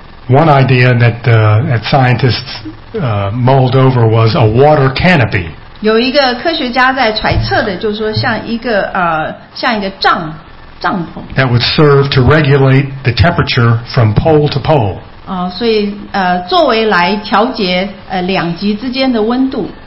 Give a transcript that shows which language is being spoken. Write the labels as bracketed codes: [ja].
[en] One idea that scientists mulled over was a water canopy. [zh] 有一个科学家在揣测的，就是说像一个帐篷。 [en] That would serve to regulate the temperature from pole to pole. [zh] 所以作为来调节两极之间的温度。